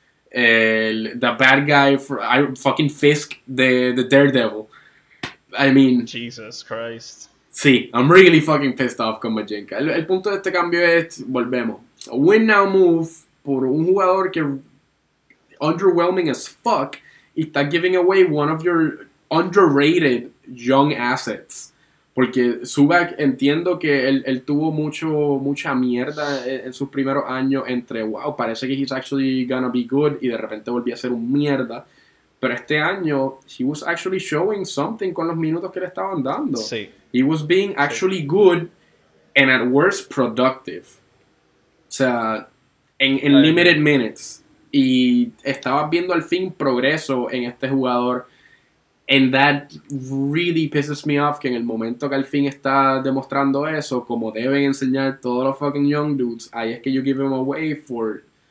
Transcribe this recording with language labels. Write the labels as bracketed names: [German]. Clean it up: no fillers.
[English] the bad guy, fucking Fisk, the Daredevil. I mean... Jesus Christ. [Spanish] Sí, [English] I'm really fucking pissed off [Spanish] con Majinka. El punto de este cambio es... Volvemos. [English] A win now move [Spanish] por un jugador que... [English] Underwhelming as fuck. [Spanish] Y está [English] giving away one of your underrated young assets. [Spanish] Porque Zubac, entiendo que él tuvo mucha mierda en sus primeros años. Entre, wow, parece que [English] he's actually gonna be good. [Spanish] Y de repente volvió a ser un mierda. Pero este año, [English] he was actually showing something [Spanish] con los minutos que le estaban dando. Sí. [English] He was being actually good and at worst productive. [Spanish] O sea, en limited minutes. Y estaba viendo al fin progreso en este jugador. [English] And that really pisses me off [Spanish] que en el momento que al fin está demostrando eso, como deben enseñar todos los fucking [English] young dudes, [Spanish] ahí es que [English] you give him away for...